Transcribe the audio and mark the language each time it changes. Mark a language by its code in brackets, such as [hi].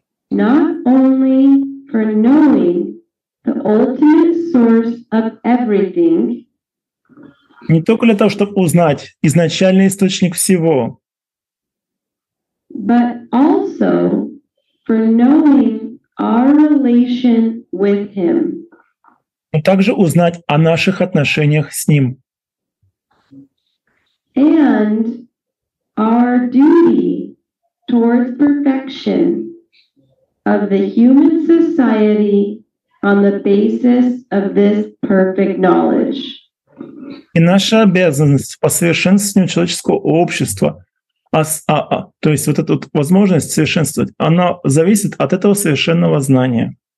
[en] Not only for knowing the ultimate source of everything. [ru] Не только для того, чтобы узнать изначальный источник всего. [en] But also for knowing our relation with him. [ru] Но также узнать о наших отношениях с ним. [en] And our duty towards perfection of the human society on the basis of this perfect knowledge. [ru] И наша обязанность по совершенствованию человеческого общества, то есть вот эта вот возможность совершенствовать, она зависит от этого совершенного знания.